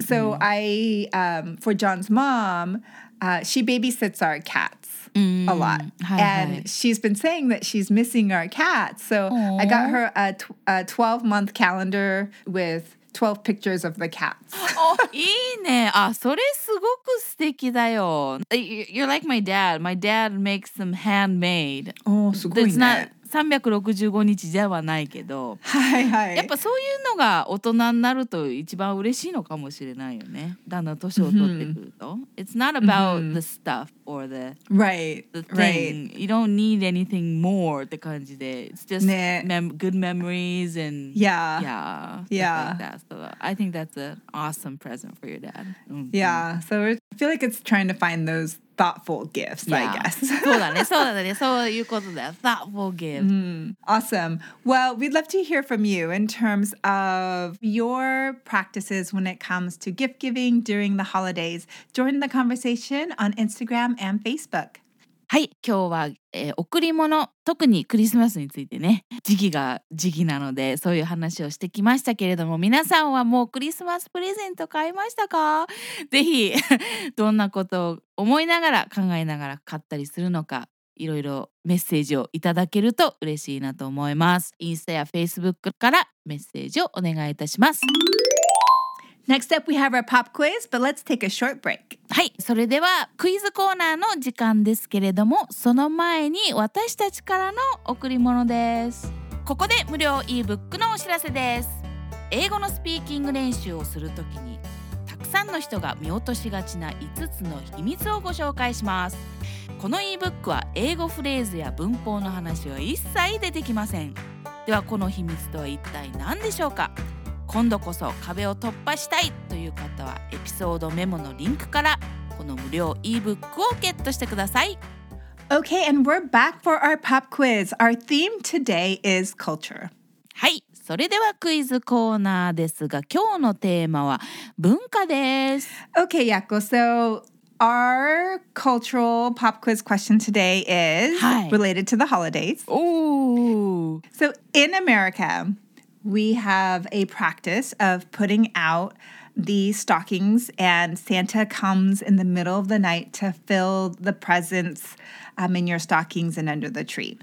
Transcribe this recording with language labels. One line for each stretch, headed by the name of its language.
English: so mm-hmm. I, for John's mom, she babysits our cats a lot. And she's been saying that she's missing our cats. So Aww. I got her a 12-month calendar with 12 pictures of the cats.
Japanese: Oh, いいね。あ、それすごく素敵だよ。
English: You're like my dad. My dad makes them handmade.
Japanese: Oh, すごいね。
English: It's not
Japanese: 365日ではないけど。はいはい。やっぱそういうのが大人になると一番嬉しいのかもしれないよね。だんだん年を取ってくると。
English: Mm-hmm. It's not about mm-hmm. the stuff or the, right, the thing. Right. You don't need anything more
Japanese: って感じで。
English: It's just、
Japanese: ね、
English: good memories and... Yeah. Yeah. Yeah. Like that. So I think that's an awesome present for your dad.、 Mm-hmm. Yeah. So I feel like it's trying to find those... Thoughtful gifts, yeah. I guess.
Japanese: そうだね、そうだね、そういうことだ。
English: Thoughtful gift. Awesome. Well, we'd love to hear from you in terms of your practices when it comes to gift giving during the holidays. Join the conversation on Instagram and Facebook.
Japanese: はい、今日は、贈り物、特にクリスマスについてね、時期が時期なのでそういう話をしてきましたけれども、皆さんはもうクリスマスプレゼント買いましたか？ぜひどんなことを思いながら考えながら買ったりするのか、いろいろメッセージをいただけると嬉しいなと思います。インスタやフェイスブックからメッセージをお願いいたします。
English: Next up, we have our pop quiz, but let's take a short break.
Japanese: はい、それではクイズコーナーの時間ですけれども、その前に私たちからの贈り物です。ここで無料 e-book のお知らせです。英語のスピーキング練習をするときに、たくさんの人が見落としがちな5つの秘密をご紹介します。この e-book は英語フレーズや文法の話は一切出てきません。ではこの秘密とは一体何でしょうか？今度こそ壁を突破したいという方はエピソードメモのリンクからこの無料 e-book をゲットしてください。
English: Okay, and we're back for our pop quiz. Our theme today is culture.
Japanese: はい、それではクイズコーナーですが、今日のテーマは文化です。
English: Okay, Yako, so our cultural pop quiz question today is related to the holidays. Ooh. So in AmericaWe have a practice of putting out the stockings and Santa comes in the middle of the night to fill the presents in your stockings and under the tree.